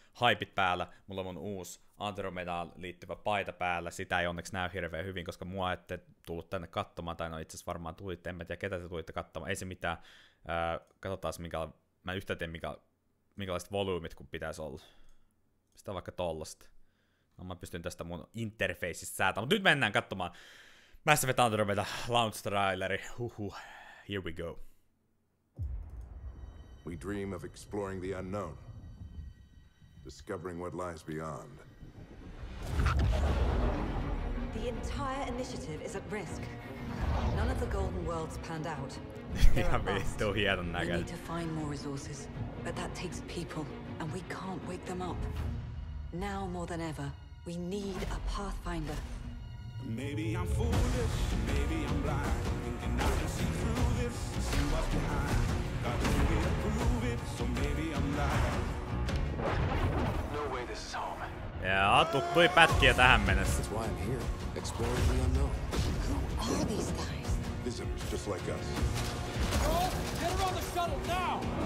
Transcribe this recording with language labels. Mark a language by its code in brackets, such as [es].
[fi] Hypit päällä, mulla on mun uusi Andromedaan liittyvä paita päällä, sitä ei onneksi näy hirveän hyvin, koska mua ette tullut tänne katsomaan, tai no itse asiassa varmaan tulitte, en mä tiedä ketä te tulitte katsomaan, ei se mitään, katsotaas mä en yhtä tiedä minkälaiset volyymit kun pitäisi olla, sitä vaikka tollasta, no mä pystyn tästä mun interfeisistä säätämään, mutta nyt mennään katsomaan, Mass Effect Andromeda launch traileri, huhuh, [en] here we go. We dream of exploring the unknown, discovering what lies beyond. The entire initiative is at risk. None of the Golden Worlds panned out. We need to find more resources, but that takes people, and we can't wake them up. Now more than ever, we need a Pathfinder. Maybe I'm foolish, maybe I'm blind, thinking I can see through this, see what's behind. Got to be approved, so maybe I'm lying. No way this is home. [fi] Jaa, tuttui pätkiä tähän mennessä. [en] That's why I'm here, exploring the unknown. Who are these guys? Visitors, just like us. Girls, get her on the shuttle now!